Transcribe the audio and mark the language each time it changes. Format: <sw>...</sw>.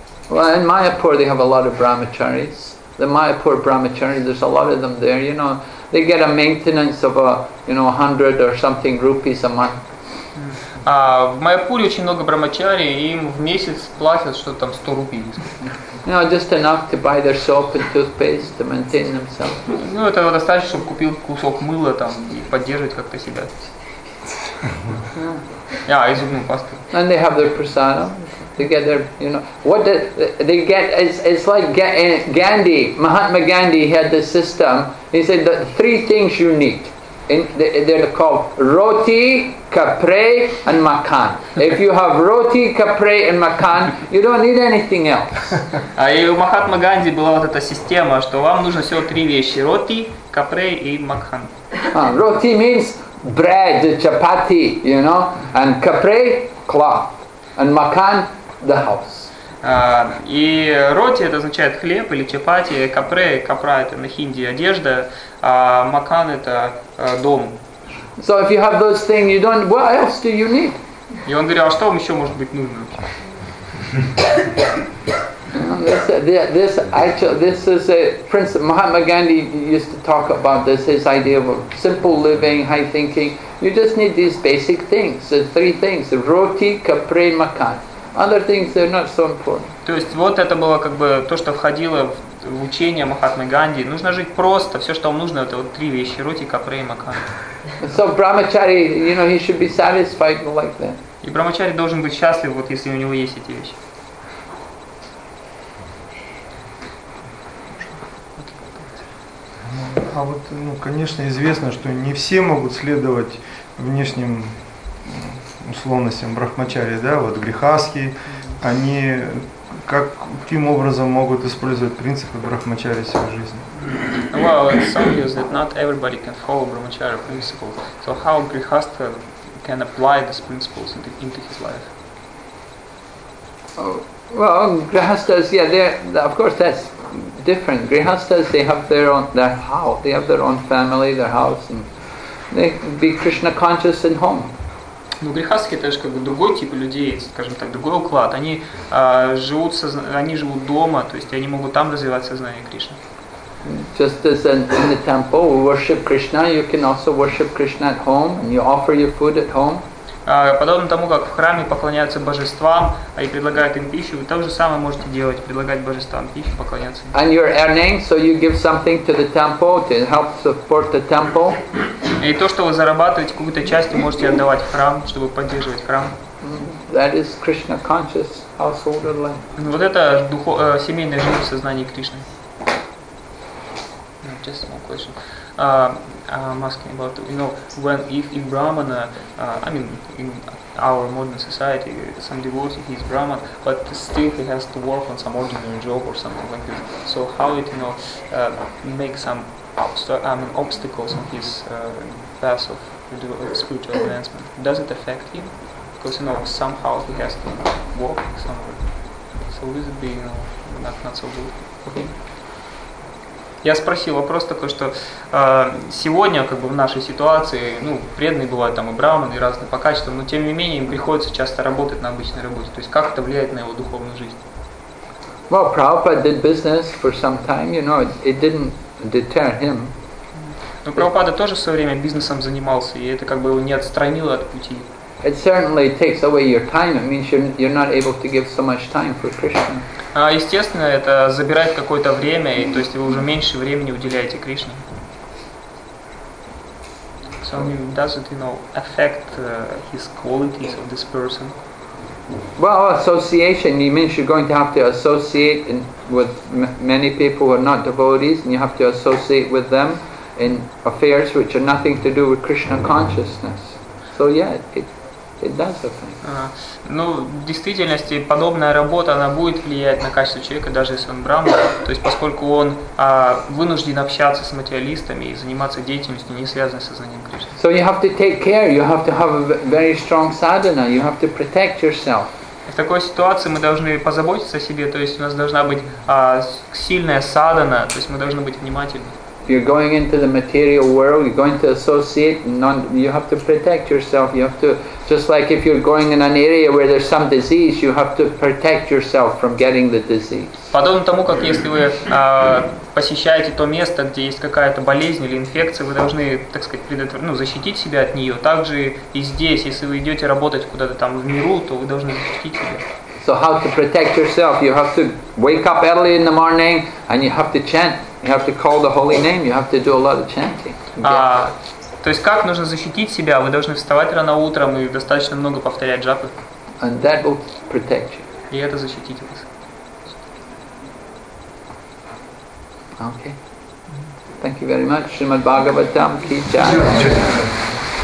<en>Well, in Mayapur they have a lot of brahmacharis. The Mayapur brahmacharis, there's a lot of them there. You know, they get a maintenance of a, you know, 100 or something rupees a month.</en> <ru>А в Майяпуре очень много брахмачари, им в месяц платят что-то там 100 рупий.</ru> <en>No, just enough to buy their soap and toothpaste to maintain themselves.</en> <ru>Ну, это достаточно, чтобы купил кусок мыла там и поддерживать как-то себя. Yeah, и зубную пасту.</ru> <en>And they have their prasadam. They get their, you know, what did they get? It's like Gandhi, Mahatma Gandhi had this system. He said the three things you need. They're called roti, kapre, and makan. If you have roti, kapre, and makan, you don't need anything else.</en> <ru>А у Махатмы Ганди была вот эта система, что вам нужно всего три вещи: роти, капре и макан.</ru> <en>Roti means bread, chapati, you know, and kapre, cloth, and makan, the house.</en> <ru>И роти это означает хлеб или чапати, капре, капра это на хинди одежда, а макан это дом.</ru> <en>So if you have those things, you don't. What else do you need?</en> <ru>И он говорил, а что вам еще может быть нужно?</ru> <en>This actually this is a Prince Mahatma Gandhi used to talk about this, his idea of simple living, high thinking. You just need these basic things, the three things: roti, capre, makan. Other things they're not so important.</en> <ru>То есть вот это было как бы то, что входило в учение Махатмы Ганди. Нужно жить просто. Все, что вам нужно, это вот три вещи: роти, капре и макан.</ru> <en>So brahmachari, you know, he should be satisfied like that.</en> <ru>И брахмачари должен быть счастлив, вот если у него есть эти вещи. А вот, ну, конечно, известно, что не все могут следовать внешним условностям брахмачари, да, вот грехаски, они как, каким образом могут использовать принципы брахмачари в своей жизни?</ru> <en>Well, it's obvious that not everybody can follow brahmachari principles. So how grihastha can apply these principles into his life? Oh, well, grihasthas, yeah, they're, of course that's different. Grihasthas, they have their own their house, they have their own family, their house, and they be Krishna conscious at home.</en> <ru>Ну, грехаски это же как бы другой тип людей, скажем так, другой уклад. Они живут они живут дома, то есть они могут там развивать сознание Кришны.</ru> <en>Just as in the temple, we worship Krishna, you can also worship Krishna at home, and you offer your food at home.</en> <ru>Подобно тому, как в храме поклоняются божествам и предлагают им пищу, вы то же самое можете делать, предлагать божествам пищу, поклоняться.</ru> <en>And you're earning, so you give something to the temple to help support the temple.</en> <ru>И то, что вы зарабатываете, какую-то часть вы можете отдавать в храм, чтобы поддерживать храм.</ru> <en>That is Krishna conscious household life.</en> <ru>Вот это семейная жизнь в сознании Кришны.</ru> <en>Just a small question. I'm asking about, you know, when if in Brahmana, I mean, in our modern society, some devotee, he's Brahman, but still he has to work on some ordinary job or something like this. So how it, you know, make some obstacles on his path of spiritual advancement? Does it affect him? Because, you know, somehow he has to work somewhere. So will it be, you know, not so good for him?</en> <ru>Я спросил вопрос такой, что сегодня, как бы в нашей ситуации, ну, преданные бывают там и брахманы, и разные по качествам, но тем не менее им приходится часто работать на обычной работе. То есть как это влияет на его духовную жизнь?</ru> <en>Well, Prabhupada did business for some time, you know, it didn't deter him.</en> <ru>Но Прабхупада тоже в свое время бизнесом занимался, и это как бы его не отстранило от пути.</ru> <en>It certainly takes away your time. It means you're not able to give so much time for Krishna.</en> <ru>Естественно, это забирает какое-то время, и то есть вы уже меньше времени уделяете Кришне.</ru> <en>So does it, you know, affect his qualities of this person? Well, association. It means you're going to have to associate with many people who are not devotees, and you have to associate with them in affairs which are nothing to do with Krishna consciousness. So yeah, it does affect.</en> <ru>Ну, в действительности, подобная работа, она будет влиять на качество человека, даже если он брахман, то есть поскольку он вынужден общаться с материалистами и заниматься деятельностью, не связанной с сознанием Кришны.</ru> <en>So you have to take care, you have to have a very strong sadhana, you have to protect yourself.</en> <ru>В такой ситуации мы должны позаботиться о себе, то есть у нас должна быть сильная садхана, то есть мы должны быть внимательны.</ru> <en>You're going into the material world, you're going to associate, you have to protect yourself, you have to, just like if you're going in an area where there's some disease, you have to protect yourself from getting the disease.</en> <ru>Подобно тому, как если вы посещаете то место, где есть какая-то болезнь или инфекция, вы должны, так сказать, защитить себя от нее, так же и здесь, если вы идете работать куда-то там в миру, то вы должны защитить себя.</ru> <en>So how to protect yourself? You have to wake up early in the morning and you have to chant. You have to call the holy name, you have to do a lot of chanting.</en> <ru>То есть как нужно защитить себя? Вы должны вставать рано утром и достаточно много повторять джапы.</ru> <en>And that will protect you.</en> <ru>И это защитит вас.</ru> <en>Okay. Thank you very much. Srimad Bhagavatam Ki Jai.</en>